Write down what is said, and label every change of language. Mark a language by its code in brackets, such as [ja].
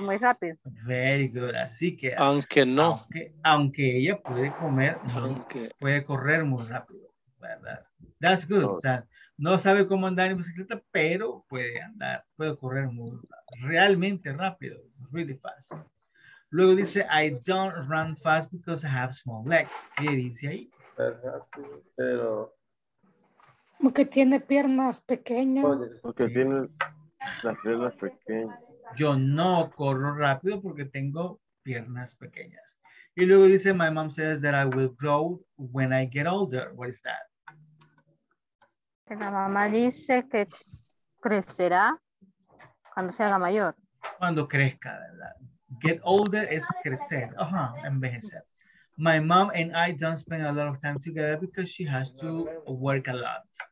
[es] muy rápido. [en] Very good. [es] Así que aunque no. Aunque ella puede comer, puede correr muy rápido. ¿Verdad? [en] That's good. [es] Oh. O sea, no sabe cómo andar en bicicleta, pero puede andar, puede correr muy realmente rápido. [en] It's really fast. [es] Luego dice, [en] I don't run fast because I have small legs. [es] ¿Qué dice ahí? Pero porque tiene piernas pequeñas. Porque tiene las piernas pequeñas. Yo no corro rápido porque tengo piernas pequeñas. Y luego dice, [en] my mom says that I will grow when I get older. What is that? [es] La mamá dice que crecerá cuando se haga mayor. Cuando crezca, ¿verdad? Get older es crecer. Ajá, envejecer. [en] My mom and I don't spend a lot of time together because she has to work a lot.